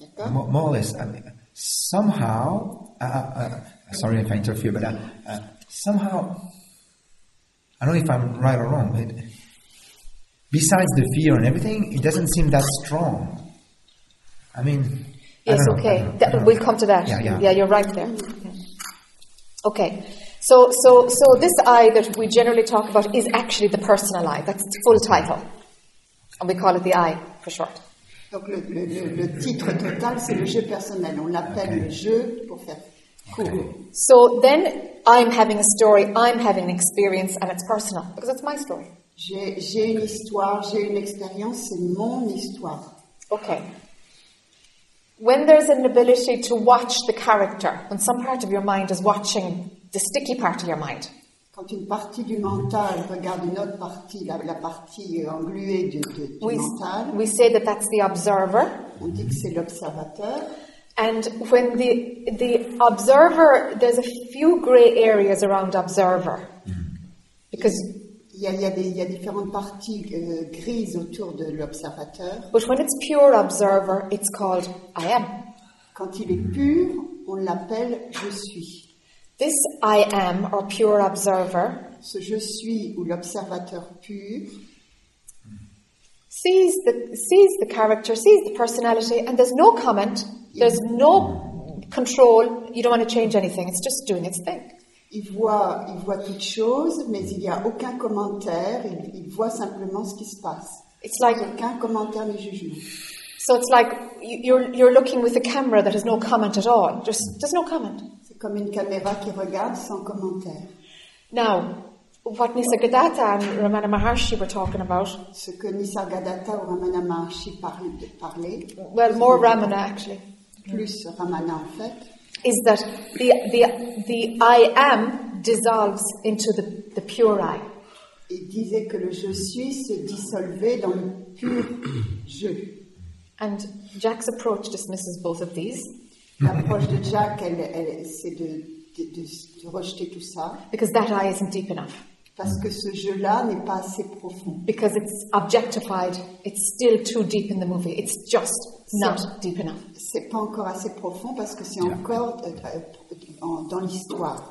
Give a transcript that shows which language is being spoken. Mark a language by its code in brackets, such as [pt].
[en] More or less, I mean, somehow, sorry if I interfere, but somehow, I don't know if I'm right or wrong, but besides the fear and everything, it doesn't seem that strong. I mean, yes, I don't okay. Know, we'll come to that. Yeah, you're right there. Okay. So this I that we generally talk about is actually the personal I. That's its full title. And we call it the I for short. [fr] Donc le titre total, c'est le jeu personnel. On l'appelle le jeu pour faire court. [en] So then I'm having a story, I'm having an experience, and it's personal, because it's my story. [fr] J'ai une histoire, j'ai une expérience, c'est mon histoire. [en] Okay. When there's an ability to watch the character, when some part of your mind is watching the sticky part of your mind. [fr] Quand une partie du mental regarde une autre partie, la partie engluée du mental. [en] We say that that's the observer. [fr] On dit que c'est l'observateur. [en] And when the observer, there's a few grey areas around observer. Because [fr] il y a différentes parties grises autour de l'observateur. [en] But when it's pure observer, it's called I am. [fr] Quand il est pur, on l'appelle je suis. [en] This I am, or pure observer, [fr] ce je suis ou l'observateur pur, [en] sees the character, sees the personality, and there's no comment, there's no control, you don't want to change anything, it's just doing its thing. [fr] Il voit toute chose, mais il n'y a aucun commentaire, il voit simplement ce qui se passe. [en] It's like, [fr] aucun commentaire ni jugement. [en] So it's like you're looking with a camera that has no comment at all, just there's no comment. [fr] Comme une caméra qui regarde sans commentaire. [en] Now, what Nisargadatta and Ramana Maharshi were talking about. [fr] Ce que Nisargadatta ou Ramana Maharshi parlaient. [en] Well, more Ramana actually. [fr] Plus Ramana en fait. [en] Is that the I am dissolves into the pure I. [fr] Il disait que le je suis se dissolvait dans le pur je. [en] And Jack's approach dismisses both of these. [fr] L'approche de Jack, elle c'est de rejeter tout ça. [en] Because that I isn't deep enough. [fr] Parce que ce jeu-là n'est pas assez profond. [en] Because it's objectified, it's still too deep in the movie. It's just not deep enough. [fr] C'est pas encore assez profond parce que c'est encore dans l'histoire.